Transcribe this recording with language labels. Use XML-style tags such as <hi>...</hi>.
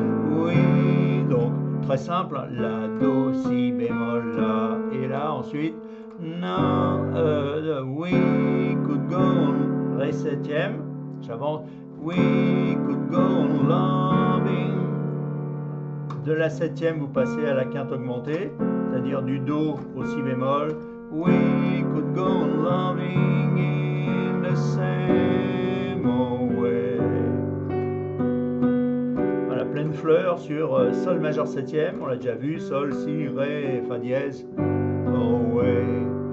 <fr>Oui, donc très simple, la do si bémol là et là ensuite non</fr> <en>we could go on.</en> <fr>Ré septième, j'avance.</fr> <en>We could go on loving.</en> <fr>De la septième, vous passez à la quinte augmentée. C'est-à-dire du Do au Si bémol.</fr> <en>We could go on loving in the same old way.</en> <fr>Voilà, pleine fleur sur Sol majeur septième. On l'a déjà vu, Sol, Si, Ré, Fa dièse. Away.</fr>